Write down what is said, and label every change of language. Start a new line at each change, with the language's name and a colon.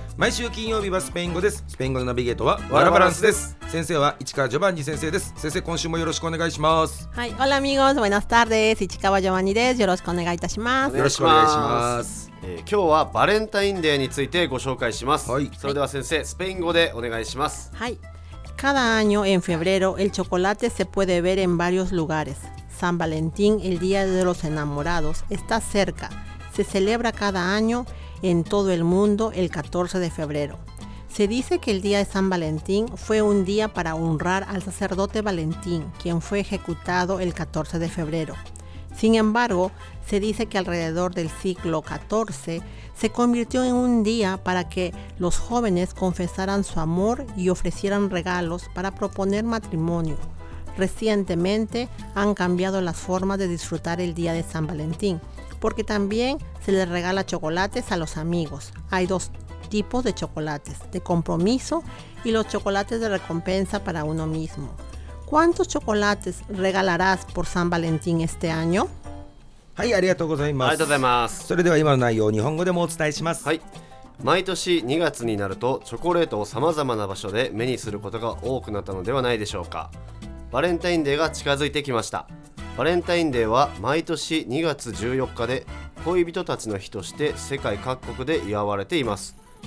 Japanese: 毎週金曜日はスペイン語です。スペイン語のナビゲートはワラバランスです。先生は市川ジョバンニ先生です。先生、今週もよろしくお願いします。はい、
Spanish: オラミゴス、ボナスタール
Japanese: です。市川ジョバンニです。よろしくお願いいたします。よろしくお願いします。今日はバレンタインデーについてご紹介します。はい、それでは先生、スペイン語でお願いします。はい。
Spanish: Cada año en febrero el chocolate se puede ver en varios lugares. San Valentín, el día de los enamorados, está cerca. Se celebra cada año en todo el mundo el 14 de febrero. Se dice que el día de San Valentín fue un día para honrar al sacerdote Valentín, quien fue ejecutado el 14 de febrero. Sin embargo, se dice que alrededor del siglo XIV se convirtió en un día para que los jóvenes confesaran su amor y ofrecieran regalos para proponer matrimonio. Recientemente han cambiado las formas de disfrutar el día de San Valentín, porque también se les regala chocolates a los amigos. Hay dos tipos de chocolates, de compromiso y los chocolates de recompensa para uno mismo. ¿Cuántos chocolates regalarás por San Valentín este año?
Japanese: はい、ありがとうございます。ありがとうございます。それでは今の内容を日本語でもお伝えします。はい。毎年2月になるとチョコレートをさまざまな場所で目にすることが多くなったのではないでしょうか。バレンタインデーが近づいてきました。バレンタインデーは毎年2月14日で恋人たちの日として世界各国で祝われています。